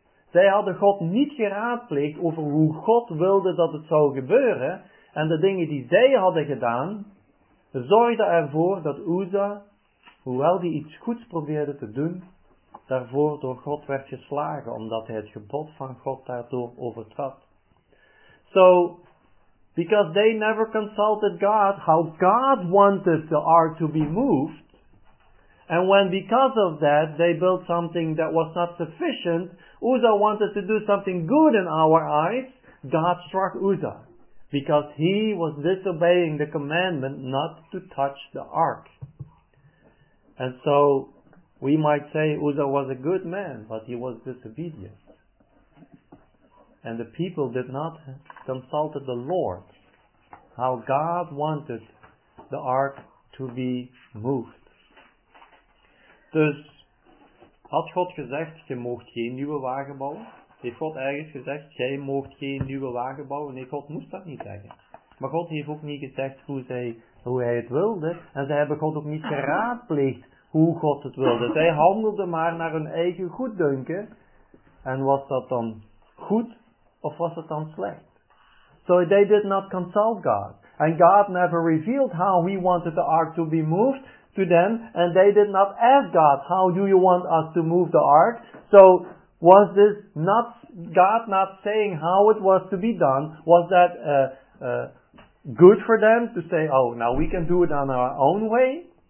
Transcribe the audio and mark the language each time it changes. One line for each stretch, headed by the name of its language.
Dutch: Zij hadden God niet geraadpleegd over hoe God wilde dat het zou gebeuren. En de dingen die zij hadden gedaan, zorgden ervoor dat Uzza, hoewel hij iets goeds probeerde te doen, daarvoor door God werd geslagen, omdat hij het gebod van God daardoor overtrad.
English: So, because they never consulted God, how God wanted the ark to be moved, and when because of that they built something that was not sufficient, Uzza wanted to do something good in our eyes, God struck Uzza, because he was disobeying the commandment not to touch the ark. And so, we might say Uzza was a good man, but he was disobedient. And the people did not consult the Lord, how God wanted the ark to be moved.
Dutch: Dus, had God gezegd, je mocht geen nieuwe wagen bouwen? Heeft God ergens gezegd, jij mocht geen nieuwe wagen bouwen? Nee, God moest dat niet zeggen. Maar God heeft ook niet gezegd hoe hij het wilde. En zij hebben God ook niet geraadpleegd hoe God het wilde. Zij handelden maar naar hun eigen goeddunken. En was dat dan goed of was dat dan slecht?
English: So they did not consult God. And God never revealed how he wanted the ark to be moved to them, and they did not ask God, how do you want us to move the ark? So, was this not God not saying how it was to be done? Was that good for them to say, oh, now we can do it on our own way?